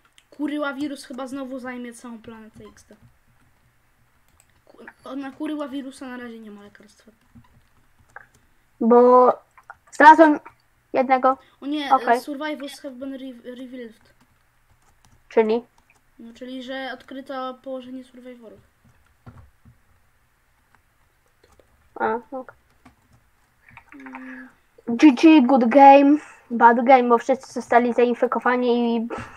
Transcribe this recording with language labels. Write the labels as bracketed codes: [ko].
[pl] Kuryła wirus chyba znowu zajmie całą planetę XD. Na kuryła wirusa na razie nie ma lekarstwa. Bo znalazłem jednego. O nie, okay. [en] Survivors have been revealed. [pl] Czyli? No, czyli, że odkryto położenie survivorów. A, okej. Okay. GG, [en] good game, bad game, [pl] bo wszyscy zostali zainfekowani i...